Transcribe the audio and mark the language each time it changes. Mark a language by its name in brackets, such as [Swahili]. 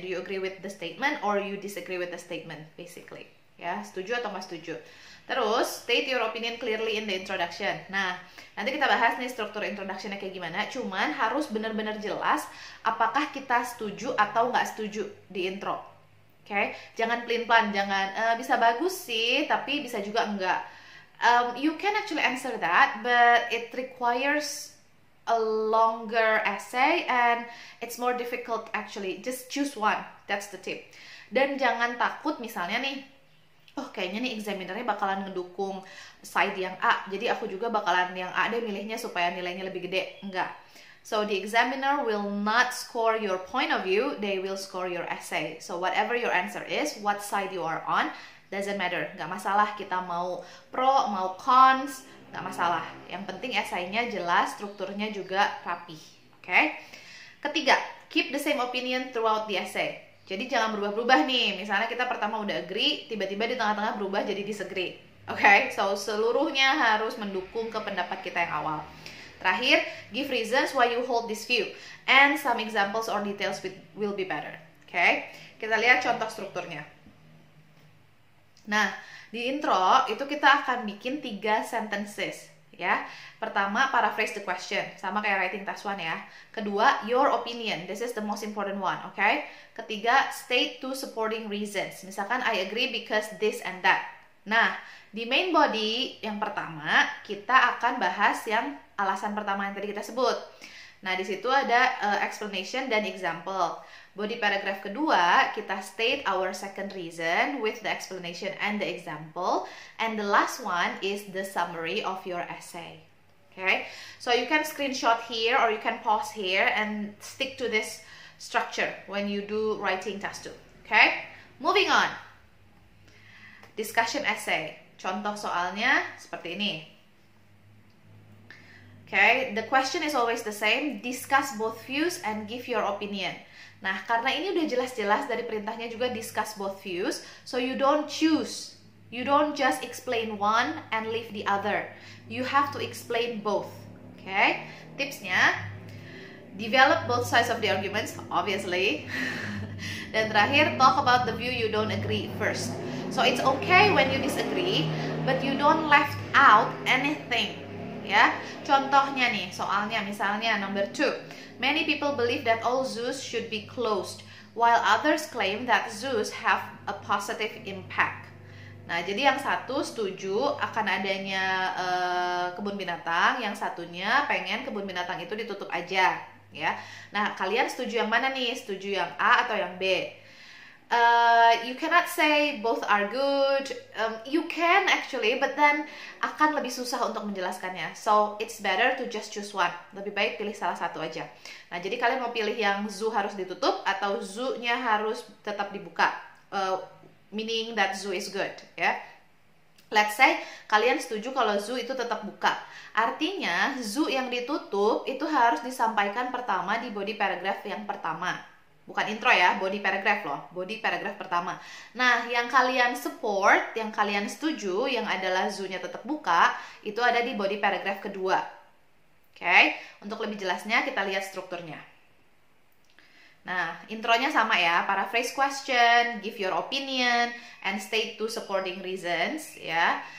[English] Do you agree with the statement or you disagree with the statement, basically? [Indonesian] Ya, setuju atau nggak setuju? Terus, [English] state your opinion clearly in the introduction. [Indonesian] Nah, nanti kita bahas nih struktur introduction-nya kayak gimana. Cuman harus benar-benar jelas apakah kita setuju atau nggak setuju di intro. Okay? Jangan plin-plan, jangan bisa bagus sih, tapi bisa juga enggak. [English] You can actually answer that, but it requires a longer essay and it's more difficult actually. Just choose one, that's the tip. [Indonesian] Dan jangan takut misalnya nih, oh kayaknya nih examiner-nya bakalan ngedukung side yang A, jadi aku juga bakalan yang A deh milihnya supaya nilainya lebih gede. Enggak. [English] So the examiner will not score your point of view, they will score your essay. So whatever your answer is, what side you are on, doesn't matter. [Indonesian] Enggak masalah kita mau pro, mau cons, enggak masalah. Yang penting essay-nya jelas, strukturnya juga rapi. Oke? [English] Ketiga, keep the same opinion throughout the essay. [Indonesian] Jadi jangan berubah-berubah nih, misalnya kita pertama udah agree, tiba-tiba di tengah-tengah berubah jadi disagree. Okay? So, seluruhnya harus mendukung ke pendapat kita yang awal. [English] Terakhir, give reasons why you hold this view, and some examples or details will be better. [Indonesian] Okay? Kita lihat contoh strukturnya. Nah, di intro itu kita akan bikin 3 sentences. Ya, pertama [English] paraphrase the question, [Indonesian] sama kayak writing task 1 ya. [English] Kedua, your opinion, this is the most important one, okay? Ketiga, state 2 supporting reasons. Misalkan I agree because this and that. [Indonesian] Nah, di main body yang pertama kita akan bahas yang alasan pertama yang tadi kita sebut. Nah, di situ ada [English] explanation dan example. Body paragraph kedua, kita state our second reason with the explanation and the example. And the last one is the summary of your essay. Okay? So you can screenshot here or you can pause here and stick to this structure when you do writing task 2. Okay? Moving on. Discussion essay. [Indonesian] Contoh soalnya seperti ini. [English] Okay, the question is always the same, discuss both views and give your opinion. [Indonesian] Nah, karena ini udah jelas-jelas dari perintahnya juga [English] discuss both views, so you don't choose. You don't just explain one and leave the other. You have to explain both. Okay? Tipsnya, develop both sides of the arguments, obviously. [Indonesian] Dan terakhir, [English] talk about the view you don't agree first. So it's okay when you disagree, but you don't left out anything. [Indonesian] Ya, contohnya nih, soalnya misalnya number 2. [English] Many people believe that all zoos should be closed, while others claim that zoos have a positive impact. [Indonesian] Nah, jadi yang satu setuju akan adanya kebun binatang, yang satunya pengen kebun binatang itu ditutup aja, ya. Nah, kalian setuju yang mana nih? Setuju yang A atau yang B? [English] You cannot say both are good. You can actually, but then [Indonesian] akan lebih susah untuk menjelaskannya. [English] So it's better to just choose one. [Indonesian] Lebih baik pilih salah satu aja. Nah, jadi kalian mau pilih yang zoo harus ditutup atau zoo-nya harus tetap dibuka? [English] Meaning that zoo is good, ya. Yeah? Let's say [Indonesian] kalian setuju kalau zoo itu tetap buka. Artinya zoo yang ditutup itu harus disampaikan pertama di body paragraph yang pertama. Bukan intro ya, body paragraph loh, body paragraph pertama. Nah, yang kalian support, yang kalian setuju, yang adalah zoo-nya tetap buka, itu ada di body paragraph kedua. Oke, untuk lebih jelasnya kita lihat strukturnya. Nah, intronya sama ya, [English] paraphrase question, give your opinion, and state two supporting reasons, ya.